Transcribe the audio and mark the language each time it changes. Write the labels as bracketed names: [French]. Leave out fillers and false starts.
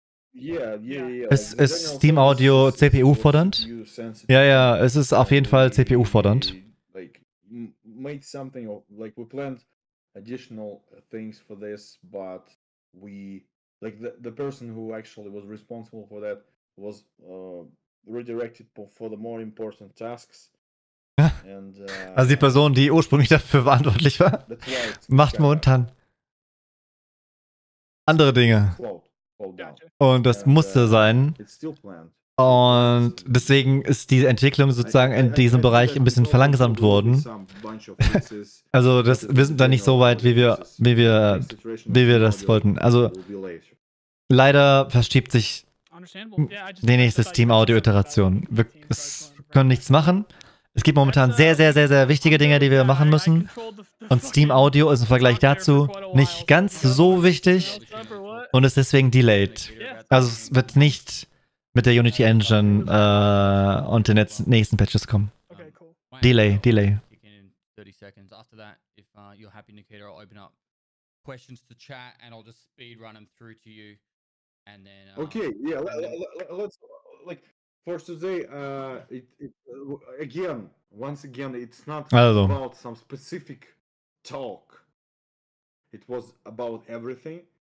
[German] Ist Steam Audio CPU-fordernd? Ja, es ist auf jeden Fall CPU-fordernd. [English] The person who actually was responsible for that was redirected for the more important tasks. [German] And, also die Person, die ursprünglich dafür verantwortlich war, macht momentan andere Dinge. Und das musste sein. Und deswegen ist die Entwicklung sozusagen in diesem Bereich ein bisschen verlangsamt worden. Also das, wir sind da nicht so weit, wie wir das wollten. Also leider verschiebt sich die nächste Steam-Audio-Iteration. Wir können nichts machen. Es gibt momentan sehr, sehr, sehr, sehr wichtige Dinge, die wir machen müssen. Und Steam-Audio ist im Vergleich dazu nicht ganz so wichtig und ist deswegen delayed. Also es wird nicht mit der Unity Engine und den nächsten Patches kommen. Delay. [English] Also, about some specific talk. It was about everything.